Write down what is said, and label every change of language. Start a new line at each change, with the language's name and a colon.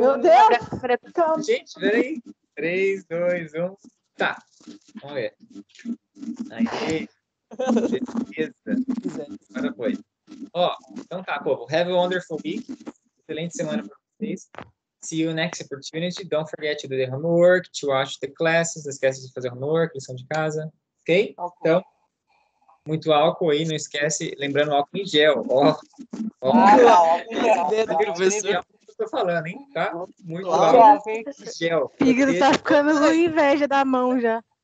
Portuguese: Meu Deus! Calma. Gente, peraí. 3, 2, 1. Tá. Vamos ver. Aí. Agora foi. Ó, então tá, povo.
English: Have a wonderful week.
Portuguese: Excelente semana pra vocês.
English: See you next opportunity. Don't forget to do the homework, to watch the classes.
Portuguese: Não esquece de fazer homework, lição de casa. Ok? Okay. Então, muito álcool aí. Não esquece, lembrando, álcool em gel. Ó, ó. Álcool em gel. Que eu tô falando, hein? Tá? Muito álcool em gel. Fígado tá ficando com inveja da mão já.